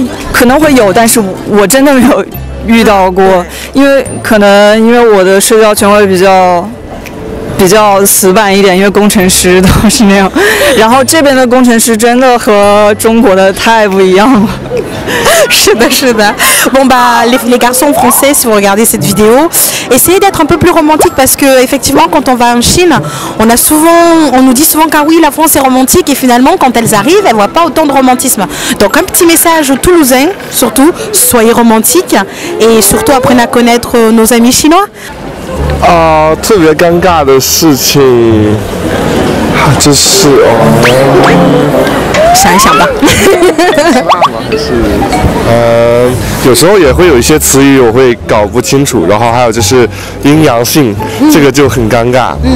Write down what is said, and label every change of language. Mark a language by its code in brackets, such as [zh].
[zh] 可能会有，但是我真的没有遇到过，因为我的社交圈会比较死板一点，因为工程师都是那样，然后这边的工程师真的和中国的太不一样了。是的。 [fr] Bon bah les garçons français, si vous regardez cette vidéo, essayez d'être un peu plus romantique parce que effectivement quand on va en Chine, on nous dit souvent car oui la France est romantique et finalement quand elles arrivent elles voient pas autant de romantisme. Donc un petit message aux Toulousains surtout, soyez romantiques et surtout apprenez à connaître nos amis chinois. [zh] Ah, 特别尴尬的事情，就是想一想吧。有时候也会有一些词语我会搞不清楚，然后还有就是阴阳性，这个就很尴尬。